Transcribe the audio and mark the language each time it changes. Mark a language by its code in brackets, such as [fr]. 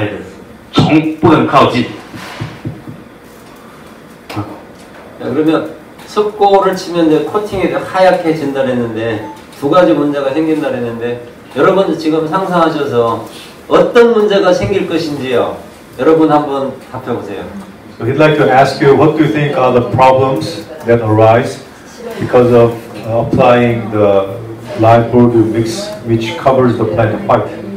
[zh] 就是说现在也有机农业，他不使用农药，他也不使用化肥，但是他们用什么东西？用石灰、硫磺，还有做成的波尔托伊，喷上去，整个植物上面全部一层白白的，虫不敢靠近。 [ko] 그러면 석고를 치면 이제 코팅이 하얗게 진다 그랬는데 두 가지 문제가 생긴다 그랬는데 여러분들 지금 상상하셔서 어떤 문제가 생길 것인지요? 여러분 한번 답해 보세요. [en] So he'd like to ask you, what do you think are the problems that arise because of applying the lime bordeaux mix which covers the plant white?